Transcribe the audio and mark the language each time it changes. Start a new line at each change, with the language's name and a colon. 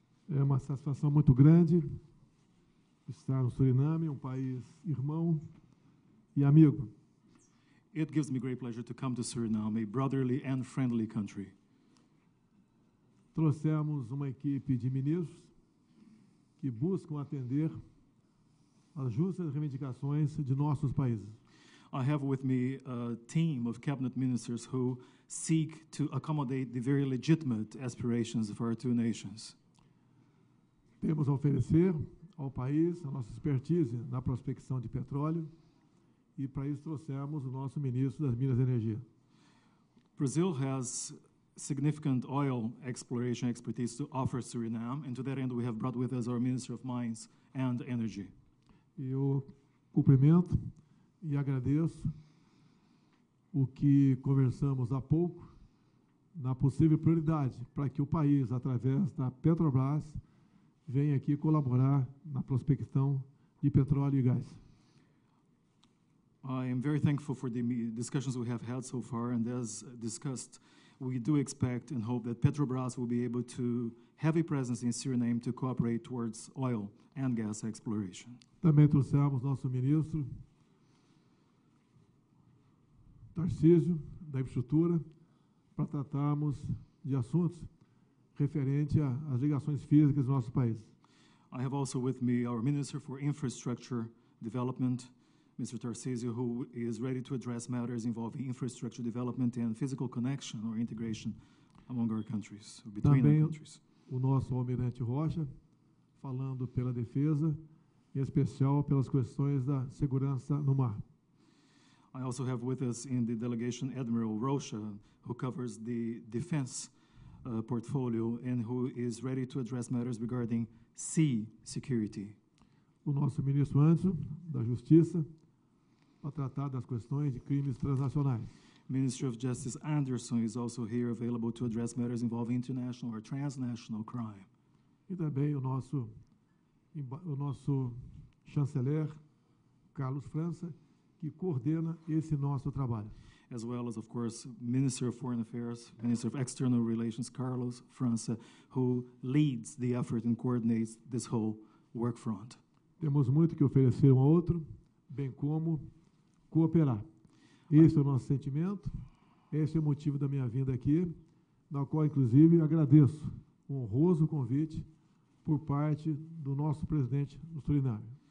Portuguese: É uma satisfação muito grande estar no Suriname, um país irmão e amigo.
English: It gives me great pleasure to come to Suriname, a brotherly and friendly country.
Portuguese: Trouxemos uma equipe de ministros que buscam atender as justas reivindicações de nossos países.
English: I have with me a team of cabinet ministers who seek to accommodate the very legitimate aspirations of our two nations.
Portuguese: Temos a oferecer ao país a nossa expertise na prospecção de petróleo. E para isso trouxemos o nosso ministro das Minas e Energia.
English: Brazil has significant oil exploration expertise to offer Suriname, and to that end we have brought with us our Minister of Mines and Energy.
Portuguese: Eu cumprimento e agradeço o que conversamos há pouco na possível prioridade para que o país, através da Petrobras, venha aqui colaborar na prospecção de petróleo e gás.
English: I am very thankful for the discussions we have had so far, and as discussed, we do expect and hope that Petrobras will be able to have a presence in Suriname to cooperate towards oil and gas exploration.
Portuguese: Também trouxemos nosso ministro Tarcísio da Infraestrutura para tratarmos de assuntos referentes às ligações físicas do nosso país.
English: I have also with me our Minister for Infrastructure Development, Mr. Tarcísio, who is ready to address matters involving infrastructure development and physical connection or integration among our countries, or between
Portuguese: Também
English: our countries.
Portuguese: O nosso Almirante Rocha, falando pela defesa, em especial pelas questões da segurança no mar.
English: I also have with us in the delegation Admiral Rocha, who covers the defense portfolio and who is ready to address matters regarding sea security.
Portuguese: O nosso ministro Anderson, da Justiça, para tratar das questões de crimes transnacionais.
English: Minister of Justice Anderson is also here available to address matters involving international or transnational crime.
Portuguese: E também o nosso o nosso chanceler, Carlos França, que coordena esse nosso trabalho.
English: As well as, of course, Minister of Foreign Affairs, Minister of External Relations, Carlos França, who leads the effort and coordinates this whole work front.
Portuguese: Temos muito que oferecer um ao outro, bem como cooperar. Esse é o nosso sentimento, esse é o motivo da minha vinda aqui, na qual, inclusive, agradeço o honroso convite por parte do nosso presidente do Suriname.